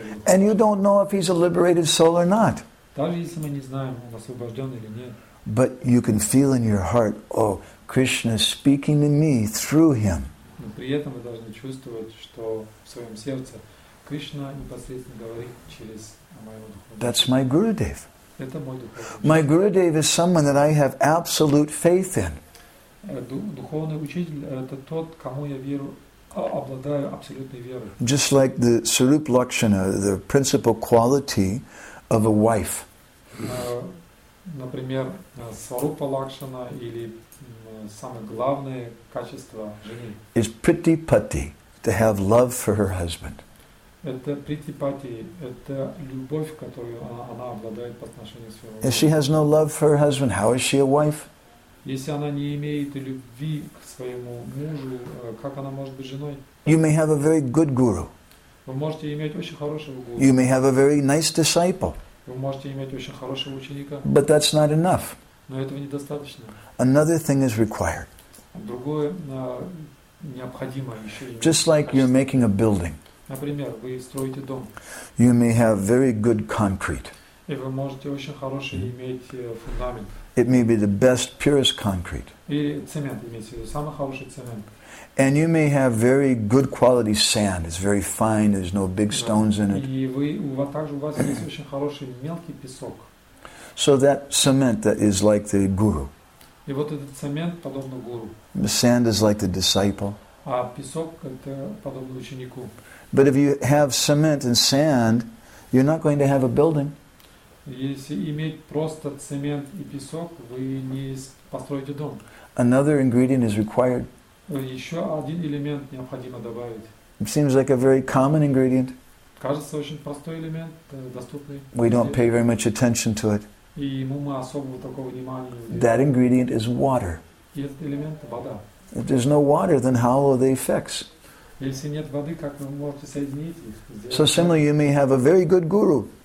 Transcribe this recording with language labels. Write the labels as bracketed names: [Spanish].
[English] And you don't know if he's a liberated soul or not. [Russian] Даже если мы не знаем, он освобожден или нет. [English] But you can feel in your heart, oh, Krishna is speaking to me through him. [Russian] Но при этом вы должны чувствовать, что в своем сердце Кришна непосредственно говорит через моего духовного. [English] That's my Gurudev. [Russian] Это мой духовный. [English] My Gurudev is someone that I have absolute faith in. [Russian] Духовный учитель это тот, кому я верю. [English] Just like the Sarup Lakshana, the principal quality of a wife. [Russian] Например, Сваруп Лакшана или самое главное качество жены. [English] Is priti pati, to have love for her husband. [Russian] Это priti pati, это любовь, которую она обладает по отношению к своему. [English] If she has no love for her husband, how is she a wife? [Russian] Если она не имеет любви к своему мужу, как она может быть женой? [English] You may have a very good guru. [Russian] Вы можете иметь очень хорошего гуру. [English] You may have a very nice disciple. [Russian] Вы можете иметь очень хорошего ученика. [English] But that's not enough. [Russian] Но этого недостаточно. [English] Another thing is required. [Russian] Другое необходимо еще. [English] Just like you're making a building. [Russian] Например, вы строите дом. [English] You may have very good concrete. [Russian] И вы можете очень хороший иметь фундамент. [English] It may be the best, purest concrete. [Russian] Или цемент, имеется в виду, самый хороший цемент. [English] And you may have very good quality sand. It's very fine. There's no big stones in it. [Russian] И вы, также у вас есть очень хороший мелкий песок. [English] So that cement that is like the guru. [Russian] И вот этот цемент подобно гуру. [English] The sand is like the disciple. [Russian] А песок это подобно ученику. [English] But if you have cement and sand, you're not going to have a building. [Russian] Если иметь просто цемент и песок, вы не построите дом. [English] Another ingredient is required. [Russian] Еще один элемент необходимо добавить. [English] It seems like a very common ingredient. [Russian] Кажется, очень простой элемент, доступный. [English] We don't pay very much attention to it. [Russian] И ему мы особого такого внимания не уделяем. [English] That ingredient is water. [Russian] И этот элемент – вода. [English] If there's no water, then how are they fixed? [Russian] Если нет воды, как вы можете соединить их? [English] So similarly, you may have a very good guru.